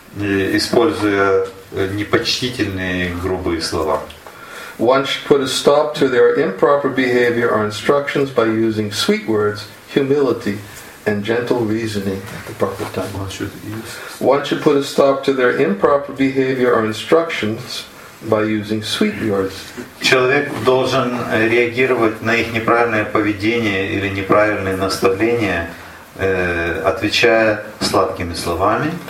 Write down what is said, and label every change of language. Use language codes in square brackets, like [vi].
[ru] Используя непочтительные грубые слова. [en] One should put a stop to their improper behavior or instructions by using sweet words, humility, and gentle reasoning at the proper time. One should put a stop to their improper behavior or instructions by using sweet words. [ru] Человек должен реагировать на их неправильное поведение или неправильные наставления, отвечая сладкими словами,